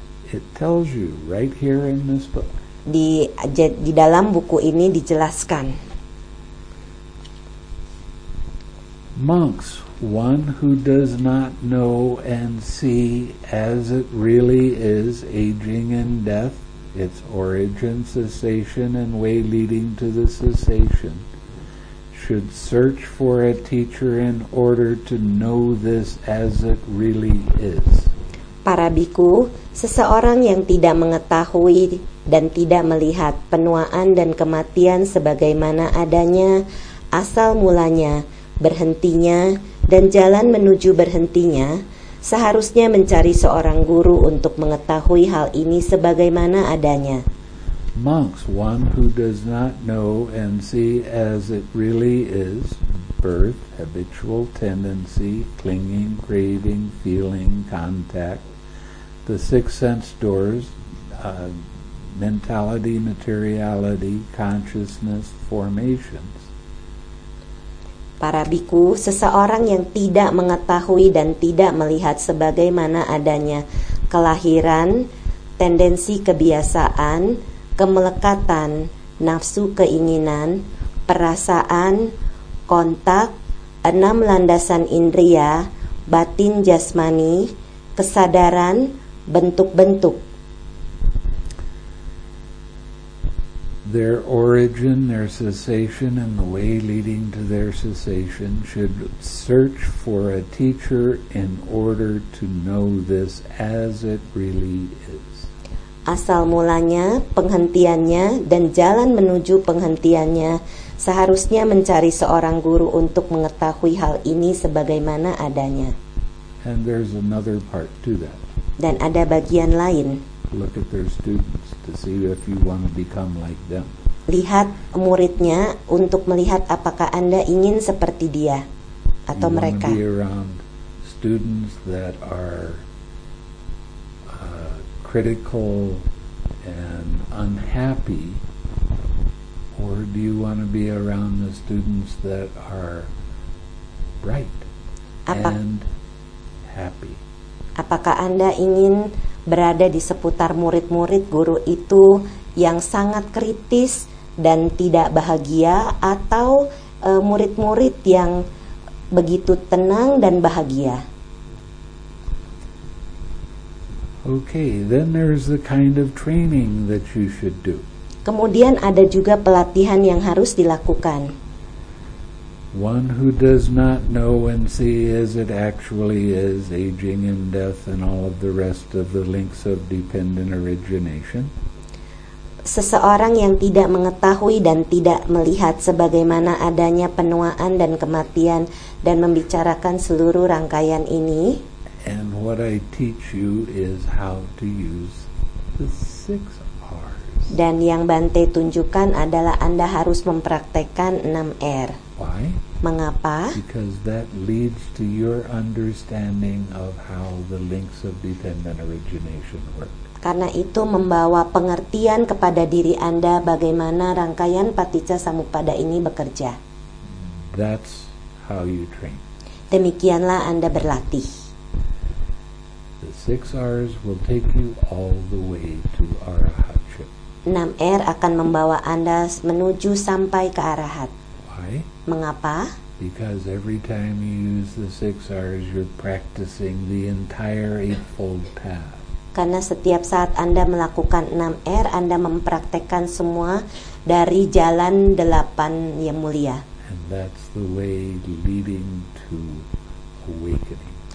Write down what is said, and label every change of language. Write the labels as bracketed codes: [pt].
[en] It tells you right here in this book. [id] Di dalam buku ini dijelaskan. [en] monks, one who does not know and see as it really is, aging and death, its origin, cessation, and way leading to the cessation, should search for a teacher in order to know this as it really is. [id] Para bhikkhu, seseorang yang tidak mengetahui dan tidak melihat penuaan dan kematian sebagaimana adanya, asal mulanya, berhentinya, dan jalan menuju berhentinya, seharusnya mencari seorang guru untuk mengetahui hal ini sebagaimana adanya. [en] Monks, one who does not know and see as it really is, birth, habitual tendency, clinging, craving, feeling, contact, the six sense doors, mentality, materiality, consciousness, formations. [id] Para bhikkhu, seseorang yang tidak mengetahui dan tidak melihat sebagaimana adanya kelahiran, tendensi kebiasaan, kemelekatan, nafsu keinginan, perasaan, kontak, enam landasan indria, batin jasmani, kesadaran, bentuk-bentuk. [en] Their origin, their cessation, and the way leading to their cessation should search for a teacher in order to know this as it really is. [id] Asal mulanya, penghentiannya, dan jalan menuju penghentiannya seharusnya mencari seorang guru untuk mengetahui hal ini sebagaimana adanya. [en] And there's another part to that. [id] Dan ada bagian lain. [en] Look at their students to see if you want to become like them. [id] Lihat muridnya untuk melihat apakah Anda ingin seperti dia atau [en] you [id] mereka. [en] You want to be around students that are critical and unhappy, or do you want to be around the students that are bright and happy? [id] Apakah Anda ingin berada di seputar murid-murid guru itu yang sangat kritis dan tidak bahagia, atau murid-murid yang begitu tenang dan bahagia? [en] Okay, then there's the kind of training that you should do. [id] Kemudian ada juga pelatihan yang harus dilakukan. [en] One who does not know and see as it actually is, aging and death and all of the rest of the links of dependent origination. [id] Seseorang yang tidak mengetahui dan tidak melihat sebagaimana adanya penuaan dan kematian dan membicarakan seluruh rangkaian ini. [en] And what I teach you is how to use the six R's. [id] Dan yang Bante tunjukkan adalah Anda harus mempraktekkan 6 R. [en] Why? [id] Mengapa? [en] Because that leads to your understanding of how the links of dependent origination work. [id] Karena itu membawa pengertian kepada diri Anda bagaimana rangkaian paticca samuppada ini bekerja. [en] That's how you train. [id] Demikianlah Anda berlatih. [en] The six R's will take you all the way to arahatship. [id] 6 R akan membawa Anda menuju sampai ke arahat. [en] Why? [id] Mengapa? [en] Because every time you use the six R's, you're practicing the entire eightfold path. [id] Karena setiap saat Anda melakukan 6 R, Anda mempraktekkan semua dari jalan 8 yang mulia. [en] And that's the way leading to awakening.